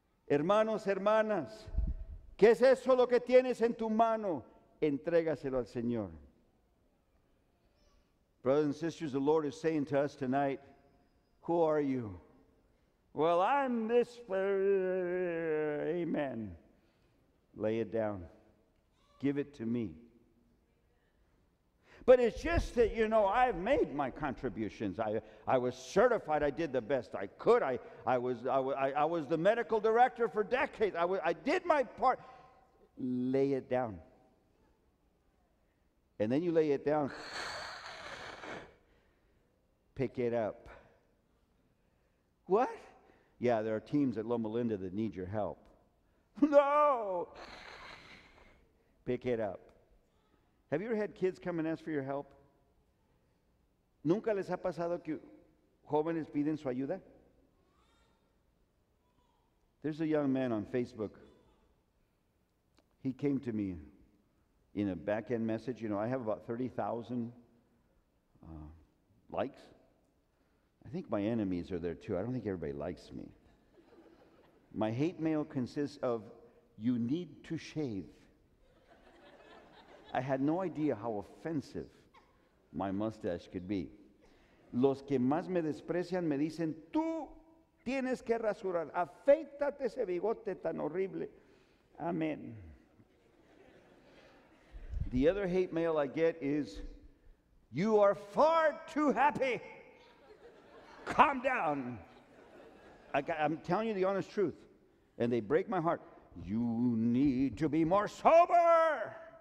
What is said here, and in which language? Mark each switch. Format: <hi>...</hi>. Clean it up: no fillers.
<es>Hermanos, hermanas, ¿qué es eso lo que tienes en tu mano? Entrégaselo al Señor.</es> <en>Brothers and sisters, the Lord is saying to us tonight, who are you? Well, I'm this. Amen. Lay it down. Give it to me. But it's just that, you know, I've made my contributions. I was certified. I did the best I could. I was the medical director for decades. I did my part. Lay it down. And then you lay it down. Pick it up. What? Yeah, there are teams at Loma Linda that need your help. No! Pick it up. Have you ever had kids come and ask for your help?</en> <es>¿Nunca les ha pasado que jóvenes piden su ayuda?</es> <en>There's a young man on Facebook. He came to me in a back-end message. You know, I have about 30,000 likes. I think my enemies are there too. I don't think everybody likes me. My hate mail consists of, you need to shave. I had no idea how offensive my mustache could be.</en> <es>Los que más me desprecian me dicen, tú tienes que rasurar, afeítate ese bigote tan horrible.</es> <en>Amen. The other hate mail I get is, you are far too happy. Calm down. I'm telling you the honest truth. And they break my heart. You need to be more sober.</en>